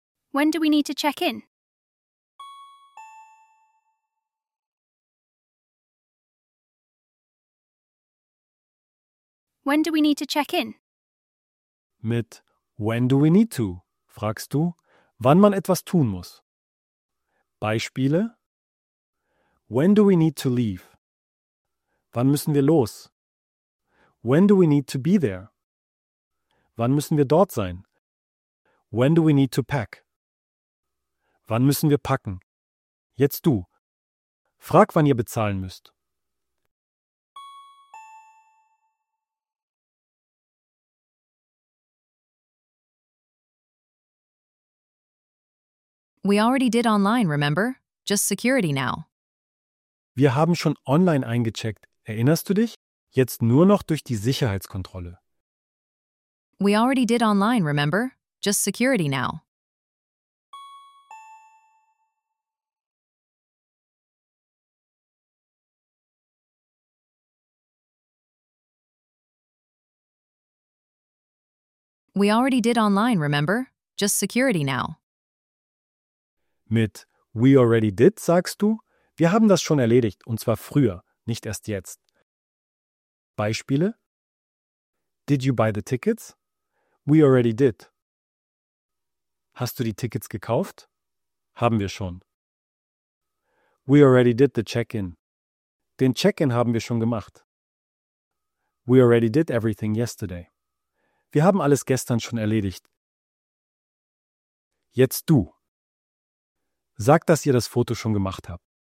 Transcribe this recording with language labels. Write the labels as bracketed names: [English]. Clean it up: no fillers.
[English] When do we need to check in? When do we need to check in? [German] Mit [English] when do we need to [German] fragst du, wann man etwas tun muss. [English] Beispiele: When do we need to leave? [German] Wann müssen wir los? [English] When do we need to be there? [German] Wann müssen wir dort sein? [English] When do we need to pack? [German] Wann müssen wir packen? Jetzt du. Frag, wann ihr bezahlen müsst. [English] We already did online, remember? Just security now. [German] Wir haben schon online eingecheckt, erinnerst du dich? Jetzt nur noch durch die Sicherheitskontrolle. [English] We already did online, remember? Just security now. We already did online, remember? Just security now. [German] Mit [English] we already did [German] sagst du, wir haben das schon erledigt, und zwar früher, nicht erst jetzt. [English] Beispiele: Did you buy the tickets? We already did. [German] Hast du die Tickets gekauft? Haben wir schon. [English] We already did the check-in. [German] Den Check-in haben wir schon gemacht. [English] We already did everything yesterday. [German] Wir haben alles gestern schon erledigt. Jetzt du. Sag, dass ihr das Foto schon gemacht habt.